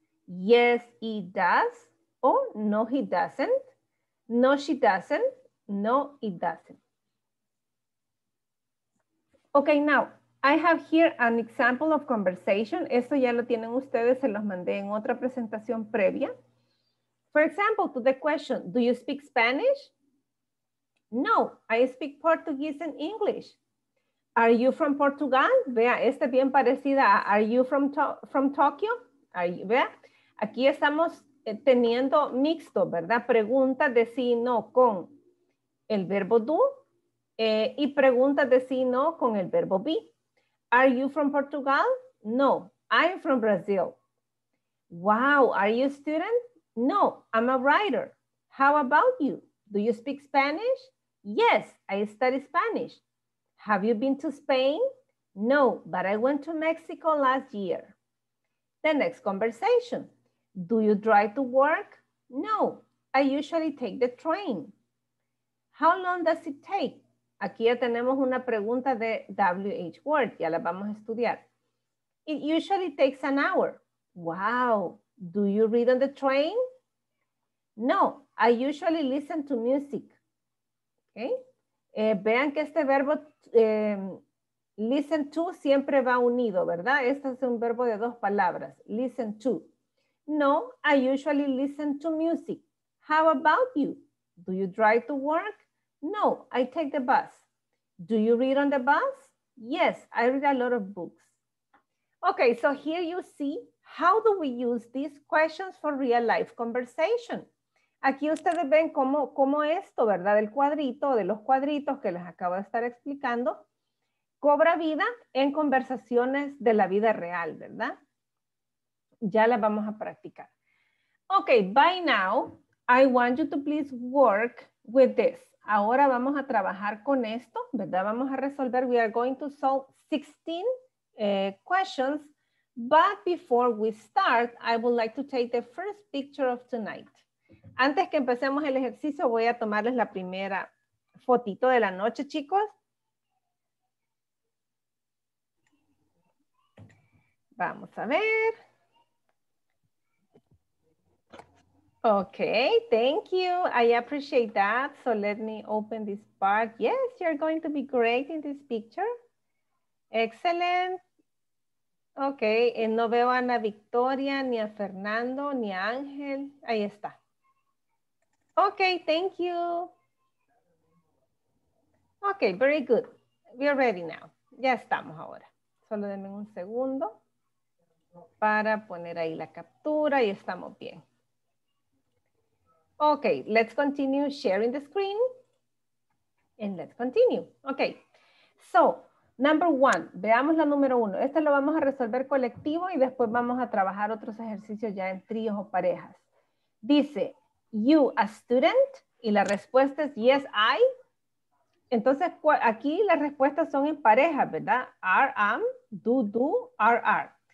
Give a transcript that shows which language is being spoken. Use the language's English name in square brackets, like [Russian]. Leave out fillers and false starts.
[English] Yes, he does. Oh, no, he doesn't. No, she doesn't. No, he doesn't. Okay, now. I have here an example of conversation. [Spanish] Esto ya lo tienen ustedes, se los mandé en otra presentación previa. [English] For example, to the question, do you speak Spanish? No, I speak Portuguese and English. Are you from Portugal? [Spanish] Vea, esta es bien parecida a [English] are you from Tokyo? [Spanish] Vea, aquí estamos teniendo mixto, ¿verdad? Preguntas de sí y no con el verbo do y preguntas de sí y no con el verbo be. [English] Are you from Portugal? No, I'm from Brazil. Wow, are you a student? No, I'm a writer. How about you? Do you speak Spanish? Yes, I study Spanish. Have you been to Spain? No, but I went to Mexico last year. The next conversation. Do you drive to work? No, I usually take the train. How long does it take? [Spanish] Aquí ya tenemos una pregunta de WH word. Ya la vamos a estudiar. [English] It usually takes an hour. Wow. Do you read on the train? No. I usually listen to music. Okay. [Spanish] Vean que este verbo listen to siempre va unido, ¿verdad? Este es un verbo de dos palabras. [English] Listen to. No, I usually listen to music. How about you? Do you drive to work? No, I take the bus. Do you read on the bus? Yes, I read a lot of books. Okay, so here you see, how do we use these questions for real life conversation? [Spanish] Aquí ustedes ven cómo esto, ¿verdad? El cuadrito, de los cuadritos que les acabo de estar explicando, cobra vida en conversaciones de la vida real, ¿verdad? Ya la vamos a practicar. [English] Okay, by now, I want you to please work with this. [Spanish] Ahora vamos a trabajar con esto, ¿verdad? Vamos a resolver, [English] we are going to solve 16 questions. But before we start, I would like to take the first picture of tonight. [Spanish] Antes que empecemos el ejercicio, voy a tomarles la primera fotito de la noche, chicos. Vamos a ver. [English] Okay, thank you. I appreciate that. So let me open this part. Yes, you're going to be great in this picture. Excellent. Okay, and [Spanish] no veo a Ana Victoria, ni a Fernando, ni a Ángel. Ahí está. [English] Okay, thank you. Okay, very good. We are ready now. [Spanish] Ya estamos ahora. Solo denme un segundo para poner ahí la captura y estamos bien. [English] Okay, let's continue sharing the screen and let's continue. Okay, so number one, [Spanish] veamos la número uno. Esta lo vamos a resolver colectivo y después vamos a trabajar otros ejercicios ya en tríos o parejas. Dice, [English] you a student? [Spanish] Y la respuesta es [English] yes, I. [Spanish] Entonces aquí las respuestas son en pareja, ¿verdad? [English] Are, am, do, do, are.